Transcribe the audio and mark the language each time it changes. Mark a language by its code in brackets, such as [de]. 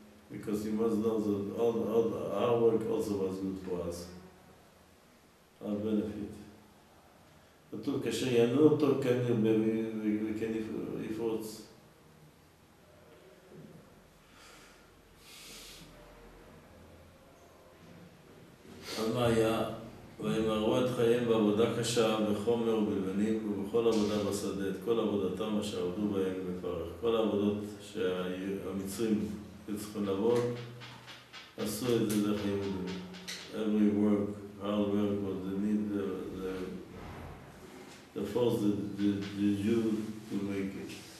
[en] Because you must know that all our work also was good for us. Our benefit. [he] כתוב, כאשר ינו אותו כן ירבה וכן יפרוץ. אז מה היה? וימרו את חייהם בעבודה קשה, בחומר ובלבנים, ובכל עבודה בשדה, את כל עבודתם אשר עבדו בהם בפרך. כל העבודות שהמצרים צריכים לעבוד, עשו את זה דרך יהודים. [en] Every work, hard work, what they need, the force the Jew to make it.